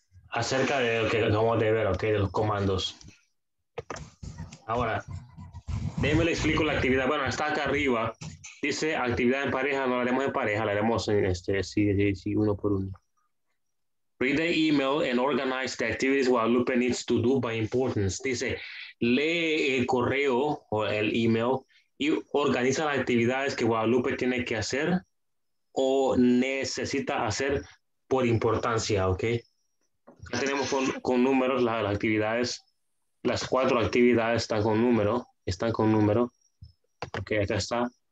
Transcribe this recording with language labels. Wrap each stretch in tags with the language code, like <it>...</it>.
<es>Acerca de lo que acabamos de ver, okay, de los comandos. Ahora, déjeme le explico la actividad. Bueno, está acá arriba. Dice actividad en pareja, no la haremos en pareja, la haremos en sí, uno por uno.</es> <en>Read the email and organize the activities Guadalupe needs to do by importance.</en> <es>Dice, lee el correo o el email y organiza las actividades que Guadalupe tiene que hacer o necesita hacer por importancia, ¿ok? Ya tenemos con números las actividades, las cuatro actividades están con número, ok, acá está.</es>